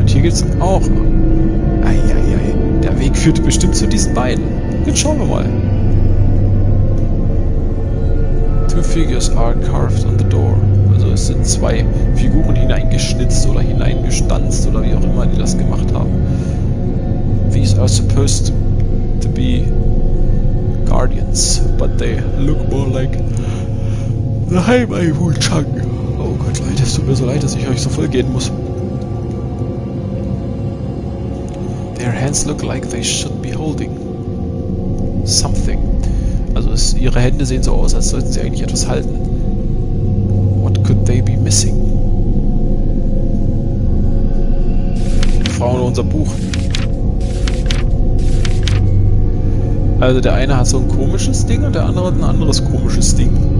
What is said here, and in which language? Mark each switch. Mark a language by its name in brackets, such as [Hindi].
[German] Und hier geht's auch. Eieiei. Der Weg führt bestimmt zu diesen beiden. Jetzt schauen wir mal. [English] Figures are carved on the door. [German] Also es sind zwei Figuren hineingeschnitzt oder hineingestanzt oder wie auch immer die das gemacht haben. [English] These are supposed to be guardians, but they look more like the Heimai Wu-Chang. [German] Oh Gott, Leute, es tut mir so leid, dass ich euch so voll gehen muss. [English] Their hands look like they should be holding something. [German] Also ihre Hände sehen so aus, als sollten sie eigentlich etwas halten. [English] What could they be missing? [German] Die Frau oder unser Buch. Also der eine hat so ein komisches Ding und der andere hat ein anderes komisches Ding.